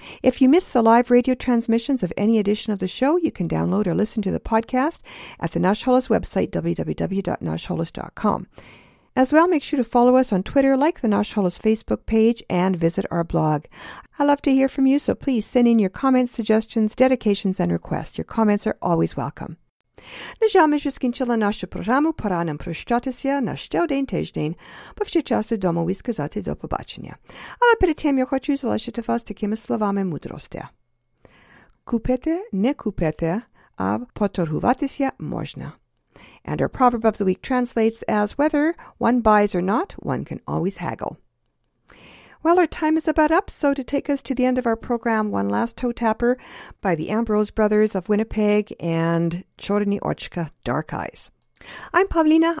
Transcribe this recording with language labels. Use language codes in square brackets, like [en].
[en] If you miss the live radio transmissions of any edition of the show, you can download or listen to the podcast at the Nash Holos website, www.nashholos.com. As well, make sure to follow us on Twitter, like the Nash Holos Facebook page, and visit our blog. I love to hear from you, so please send in your comments, suggestions, dedications, and requests. Your comments are always welcome. [uk] Нажами ж скінчила нашу програму. Пора нам прощатися на ще один тиждень, бо вже час вдома і сказати до побачення. Але перед тим я хочу залишити вас такими словами мудрості. Купити не купити, а поторгуватися можна. [en] And our proverb of the week translates as, whether one buys or not, one can always haggle. Well, our time is about up, so to take us to the end of our program, one last toe tapper by the Ambrose Brothers of Winnipeg and Chorny Ochka, Dark Eyes. I'm Pavlina.